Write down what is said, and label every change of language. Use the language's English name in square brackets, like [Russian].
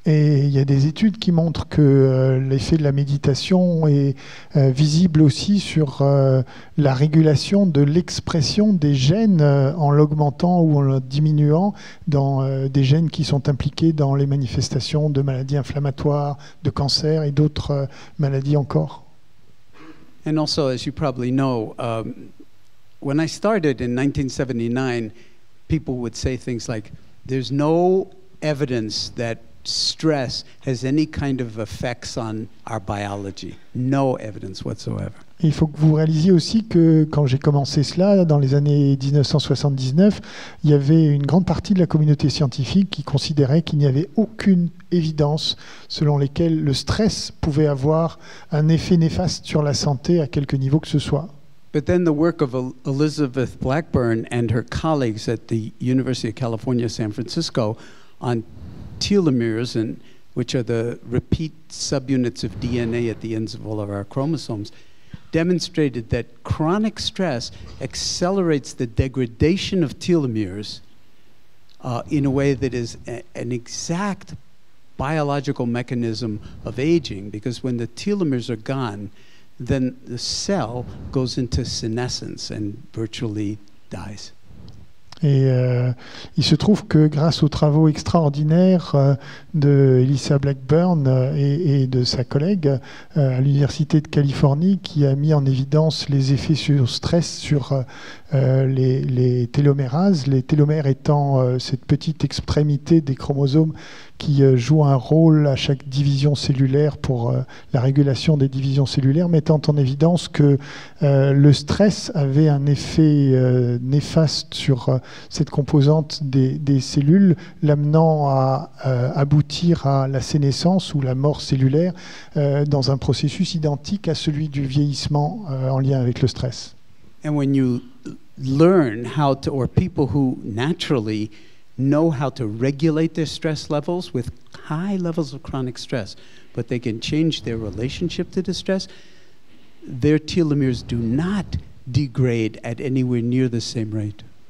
[French] Et il y a des études qui montrent que l'effet de la méditation est visible aussi sur la régulation de l'expression des gènes en l'augmentant ou en le diminuant dans des gènes qui sont impliqués dans les manifestations de maladies inflammatoires, de cancers et d'autres maladies encore. [English] And also, as you probably know, when I started in 1979, people would say things like, there's no evidence that stress has any kind of effects on our biology. No evidence whatsoever. [French] Il faut que vous réalisiez aussi que quand j'ai commencé cela, dans les années 1979, il y avait une grande partie de la communauté scientifique qui considérait qu'il n'y avait aucune évidence selon laquelle le stress pouvait avoir un effet néfaste sur la santé à quelque niveau que ce soit. [English] But then the work of Elizabeth Blackburn and her colleagues at the University of California, San Francisco, on telomeres, and which are the repeat subunits of DNA at the ends of all of our chromosomes, demonstrated that chronic stress accelerates the degradation of telomeres in a way that is an exact biological mechanism of aging, because when the telomeres are gone, then the cell goes into senescence and virtually dies. [French] Et il se trouve que grâce aux travaux extraordinaires de Elisa Blackburn et de sa collègue à l'Université de Californie qui a mis en évidence les effets sur stress sur les télomérases, les télomères étant cette petite extrémité des chromosomes qui joue un rôle à chaque division cellulaire pour la régulation des divisions cellulaires, mettant en évidence que le stress avait un effet néfaste sur cette composante des cellules, l'amenant à aboutir à la sénescence ou la mort cellulaire dans un processus identique à celui du vieillissement en lien avec le stress. [English] And when you learn how to, or people who naturally know how to regulate their stress levels with high levels of chronic stress, but they can change their relationship to the stress, their telomeres do not degrade at anywhere near the same rate.